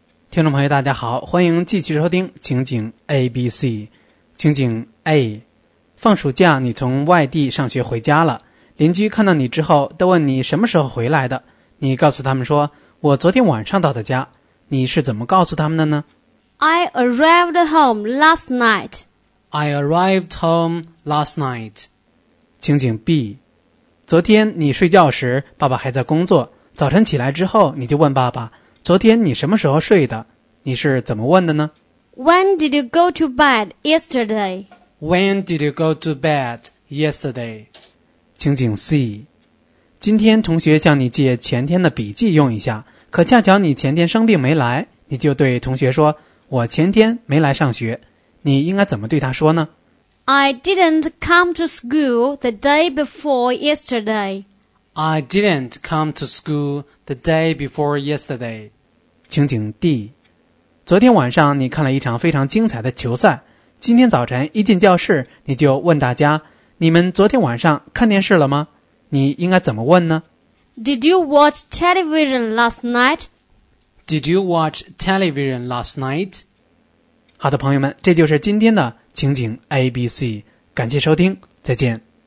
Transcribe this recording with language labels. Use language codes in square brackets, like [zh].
[zh] 听众朋友大家好，欢迎继续收听情景 ABC。情景 A， 放暑假你从外地上学回家了，邻居看到你之后都问你什么时候回来的，你告诉他们说我昨天晚上到的家，你是怎么告诉他们的呢？ [en] I arrived home last night. I arrived home last night. [zh] 情景 B， 昨天你睡觉时爸爸还在工作，早晨起来之后你就问爸爸昨天你什么时候睡的，你是怎么问的呢？ [en] When did you go to bed yesterday? When did you go to bed yesterday? [zh] 情景 C， 今天同学向你借前天的笔记用一下，可恰巧你前天生病没来，你就对同学说我前天没来上学，你应该怎么对他说呢？ [en] I didn't come to school the day before yesterday. I didn't come to school the day before yesterday. [zh] 情景 D， 昨天晚上你看了一场非常精彩的球赛，今天早晨一进教室你就问大家你们昨天晚上看电视了吗，你应该怎么问呢？ [en] Did you watch television last night? Did you watch television last night? [zh] 好的朋友们，这就是今天的情景 ABC， 感谢收听，再见。